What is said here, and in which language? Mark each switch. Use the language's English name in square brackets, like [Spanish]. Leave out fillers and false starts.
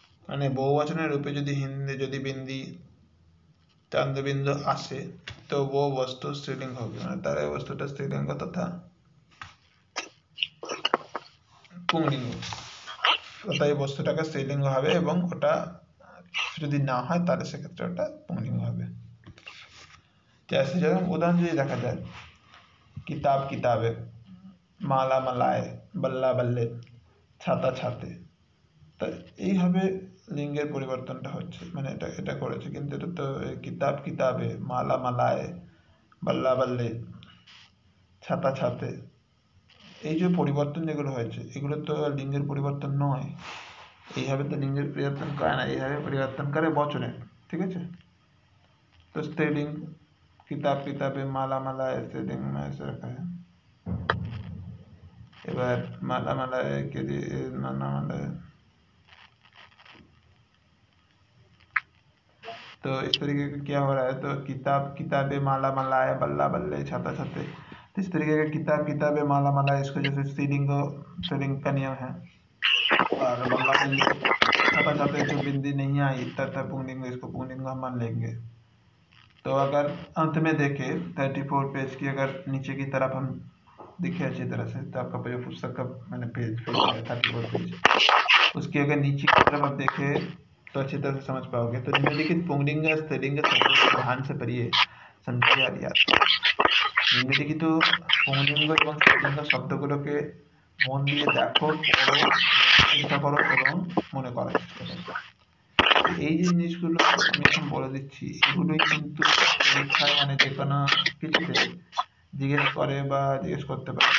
[Hindi] मैंने बहुवचन रूप में यदि हिंदी यदि बिंदी चंद्रबिंदु आसे तो वो वस्तु स्त्रीलिंग होगी, मैंने तारे वस्तु स्त्रीलिंग तथा पुंलिंग [Bangla] ওটাই বস্তুটাকে স্ত্রীলিঙ্গ হবে, এবং ওটা যদি না হয় তাহলে সেক্ষেত্রে ওটা পুংলিঙ্গ হবে। যেমন উদাহরণ যদি দেখা যায়, কিতাব কিতাবে, মালা মালায়, বল্লা বল্লে, ছাতা ছাতে, তো এইভাবে লিঙ্গের পরিবর্তনটা হচ্ছে, মানে এটা এটা করেছে। কিন্তু এটা তো কিতাব কিতাবে, মালা মালায়, বল্লা বল্লে, ছাতা ছাতে, এই যে পরিবর্তন যেগুলো হয়েছে এগুলো তো লিঙ্গের পরিবর্তন নয়। এইভাবে তো লিঙ্গের পরিবর্তন করে না, এইভাবে পরিবর্তন করে বচনে, ঠিক আছে। তো স্ত্রীলিঙ্গ কিতাব কিতাবে, মালা মালা, স্ত্রীলিঙ্গ রাখা। এবার মালা মালা নানা মালা, তো এই তরিকে কি হওয়া, তো কিতাব কিতাবে, মালা মালায়, বল্লা বল্লে, ছাতা ছাতে, [Hindi] इस तरीके का किताब किताबे माला माला, इसको जैसे स्त्रीलिंग स्त्रीलिंग का नियम है। और मल्ला छपा छपे जो बिंदी नहीं आई तथा पुंगलिंग, इसको पुंगलिंग हम मान लेंगे। तो अगर अंत में देखें 34 पेज की अगर नीचे की तरफ हम देखें अच्छी तरह से, तो आपका जो पुस्तक का मैंने पेज फिर 34 पेज उसकी अगर नीचे की तरफ आप देखें तो अच्छी तरह से समझ पाओगे। तो निम्नलिखित पुंगलिंग स्त्रीलिंग ध्यान से पढ़िए, समझिए। [Bangla] নিম্নলিখিত পুংলিঙ্গ এবং স্ত্রীলিঙ্গ শব্দগুলোকে মন দিয়ে দেখো, চিন্তা করো এবং মনে করো। এই যে জিনিসগুলো আমি এখন বলে দিচ্ছি, এগুলোই কিন্তু পরীক্ষায় মানে যে কোনো কিছুতে জিজ্ঞেস করে বা জিজ্ঞেস করতে পারে।